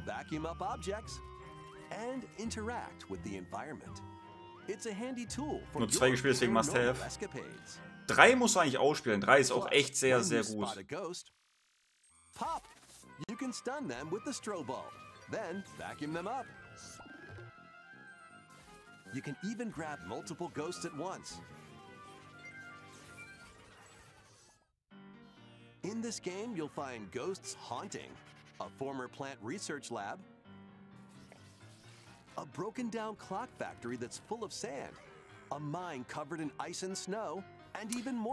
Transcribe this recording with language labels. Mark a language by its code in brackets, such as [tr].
[en] Vacuum up objects and interact with the environment. It's a handy tool for [de] nur 2 gespielt, deswegen must have. 3 muss man eigentlich ausspielen, 3 ist auch echt sehr, sehr gut. [en] Pop! You can stun them with the strobe ball. Then vacuum them up. You can even grab multiple ghosts at once. In this game, you'll find Ghosts Haunting, a former plant research lab, a broken down clock factory that's full of sand, a mine covered in ice and snow, and even more.